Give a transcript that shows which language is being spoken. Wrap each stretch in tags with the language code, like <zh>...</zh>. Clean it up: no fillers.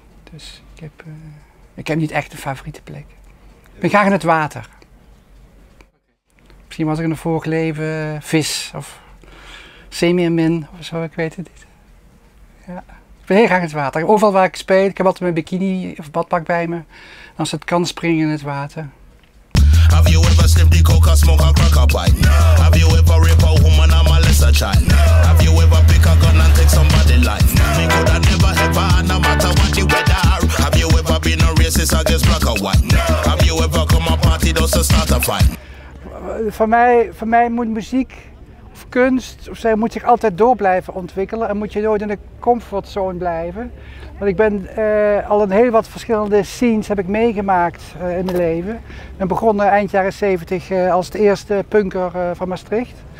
<nl>Dus ik heb niet echt een favoriete plek. Ik ben graag in het water. Misschien was ik in een vorig leven vis of semi-min of zo, ik weet het niet. Ja. Ik ben heel graag in het water. Overal waar ik speel, ik heb altijd mijn bikini of badpak bij me. En als het kan, springen in het water.</nl> <en>Have you ever sniffed the coke or smoke a crack a pipe? No. Have you ever raped a woman or molest a child? No. Have you ever pick a gun and take somebody's life? No. Me coulda never ever, no matter what the weather. Have you ever been a racist against black or white? No. Have you ever come a party just to start a fight?</en> <nl>Voor mij moet muziek of kunst of zij moet zich altijd door blijven ontwikkelen en moet je nooit in de comfortzone blijven. Want ik ben al een heel wat verschillende scenes heb ik meegemaakt in mijn leven. Ik ben begonnen eind jaren 70 als de eerste punker van Maastricht.</nl>